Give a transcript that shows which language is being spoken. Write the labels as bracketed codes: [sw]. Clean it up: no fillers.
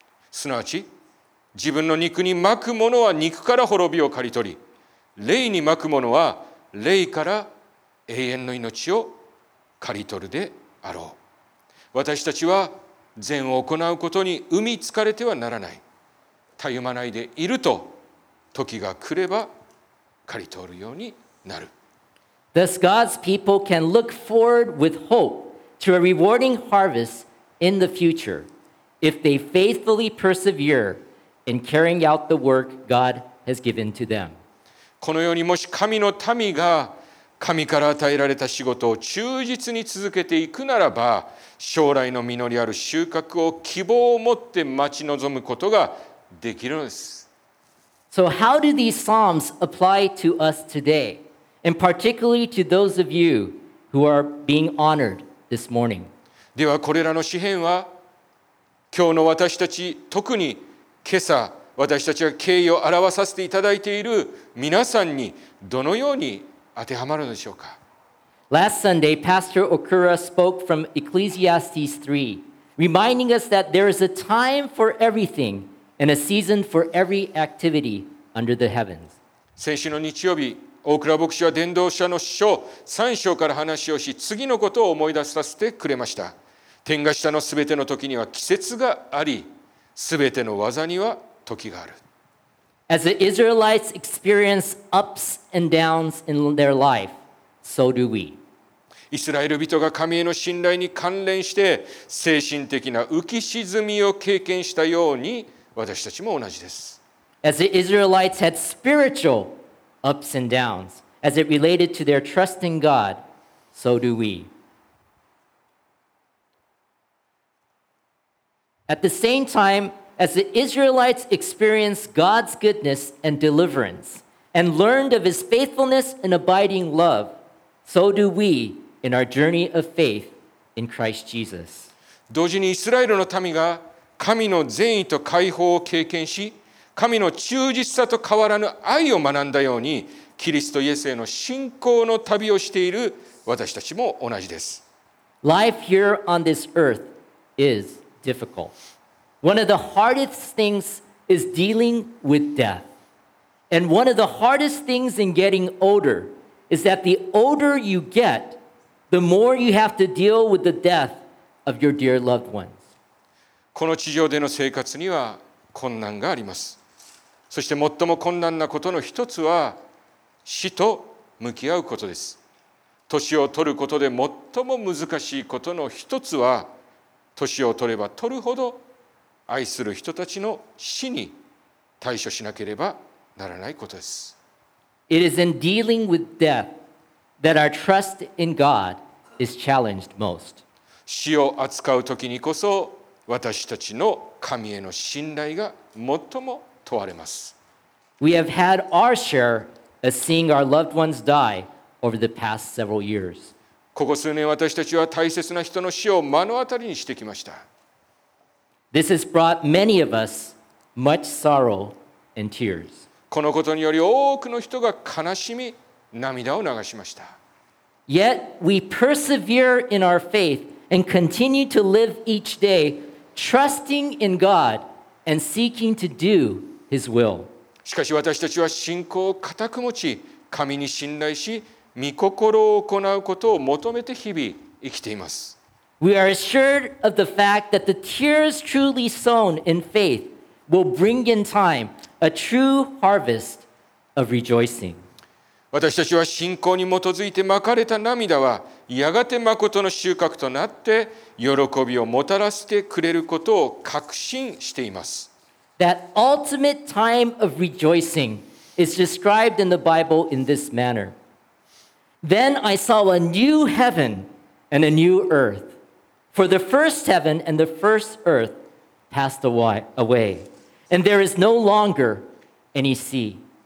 [ja] すなわち、自分の肉にまくものは肉から滅びを刈り取り、霊にまくものは霊から永遠の命を刈り取るであろう。私たちは善を行うことに産みつかれてはならない。たゆまないでいると、時が来れば刈り取るようになる。 [en] Thus God's people can look forward with hope to a rewarding harvest in the future if they faithfully persevere in carrying out the work God has given to them. [ja] このようにもし神の民が神から与えられた仕事を忠実に続けていくならば、将来の実りある収穫を希望を持って待ち望むことができるのです。 [en] So how do these psalms apply to us today, and particularly to those of you who are being honored this morning? [ja] ではこれらの詩編は、今日の私たち、特に今朝、私たちが敬意を表させていただいている皆さんにどのように当てはまるのでしょうか。 [en] Last Sunday, Pastor Okura spoke from Ecclesiastes 3, reminding us that there is a time for everything and a season for every activity under the heavens. [ja] 先週の日曜日、大倉牧師は伝道者の書3章から話をし、次のことを思い出させてくれました。天が下のすべての時には季節があり、すべての技には時がある。 [en] As the Israelites experience ups and downs in their life, so do we. [ja] イスラエル人が神への信頼に関連して精神的な浮き沈みを経験したように私たちも同じです。 [en] As the Israelites had spiritual ups and downs, as it related to their trust in God, so do we. At the same time,As the Israelites experienced God's goodness and deliverance and learned of his faithfulness and abiding love, so do we in our journey of faith in Christ Jesus. [ja] 同時にイスラエルの民が神の善意と解放を経験し、神の忠実さと変わらぬ愛を学んだように、キリストイエスへの信仰の旅をしている私たちも同じです。 [en] Life here on this earth is difficult. One of the hardest things is dealing with death. And one of the hardest things in getting older is that the older you get, the more you have to deal with the death of your dear loved ones. [ja] この地上での生活には困難があります。そして最も困難なことの一つは死と向き合うことです。年を取ることで最も難しいことの一つは、年を取れば取るほど愛する人たちの死に対処しなければならないことです。 [en] It is in dealing with death that our trust in God is challenged most. [ja] 死を扱うときにこそ私たちの神への信頼が最も問われます。 [en] We have had our share of seeing our loved ones die over the past several years. [ja] ここ数年私たちは大切な人の死を目の当たりにしてきました。 [en] This has brought many of us much sorrow and tears. [ja] このことにより多くの人が悲しみ、涙を流しました。 [en] Yet we persevere in our faith and continue to live each day trusting in God and seeking to do His will. [ja] しかし私たちは信仰を固く持ち、神に信頼し、御心を行うことを求めて日々生きています。 [en] We are assured of the fact that the tears truly sown in faith will bring in time a true harvest of rejoicing. [ja] 私たちは信仰に基づいてまかれた涙はやがて誠の収穫となって喜びをもたらしてくれることを確信しています。 [en] That ultimate time of rejoicing is described in the Bible in this manner. Then I saw a new heaven and a new earth. For the first heaven and the first earth passed away, and there is no longer any sea.